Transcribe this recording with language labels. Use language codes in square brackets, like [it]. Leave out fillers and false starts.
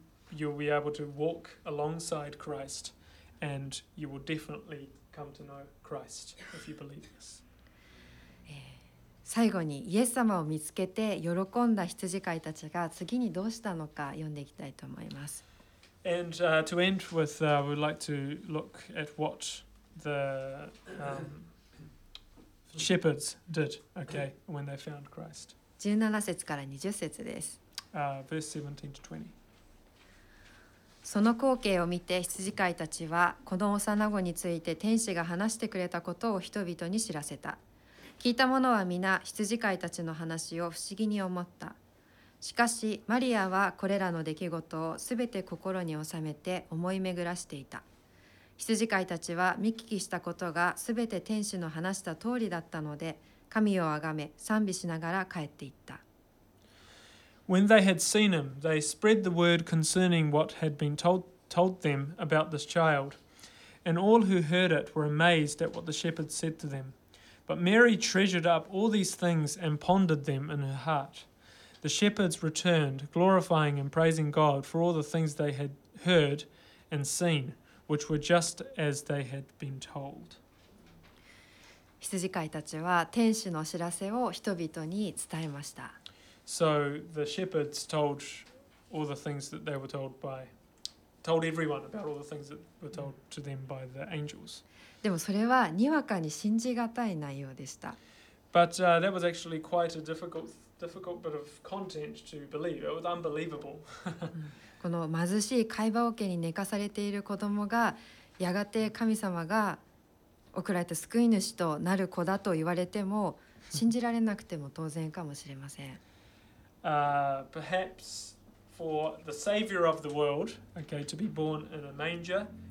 [en] You'll be able to walk alongside Christ and you will definitely come to know Christ if you believe this. [ja] 最後にイエス様を見つけて喜んだ羊飼いたちが次にどうしたのか読んでいきたいと思います。 [en] And to end with, we would like to look at what the shepherds did, okay, when they found Christ. [ja] 17節から20節です。 [en] Verse 17 to 20. [ja] その光景を見て羊飼いたちはこの幼子について天使が話してくれたことを人々に知らせた。聞いた者は皆羊飼いたちの話を不思議に思った。しかしマリアはこれらの出来事をすべて心に収めて思い巡らしていた。羊飼いたちは見聞きしたことがすべて天使の話した通りだったので、神をあがめ賛美しながら帰っていった。 [en] When they had seen him, they spread the word concerning what had been told them about this child. And all who heard it were amazed at what the shepherds said to them. But Mary treasured up all these things and pondered them in her heart. The shepherds returned, glorifying and praising God for all the things they had heard and seen, which were just as they had been told. [ja] 羊飼いたちは天使の知らせを人々に伝えました。 [en] So the shepherds told all the things that they were told by, told everyone about all the things that were told to them by the angels. [ja] でもそれはにわかに信じがたい内容でした。 [en] But that was actually quite a difficult bit of content to believe. It was unbelievable. [ja] この貧しい貝羽桶に寝かされている子供がやがて神様が送られた救い主となる子だと言われても信じられなくても当然かもしれません。 [en] Perhaps for the savior of the world, okay, to be born in a manger.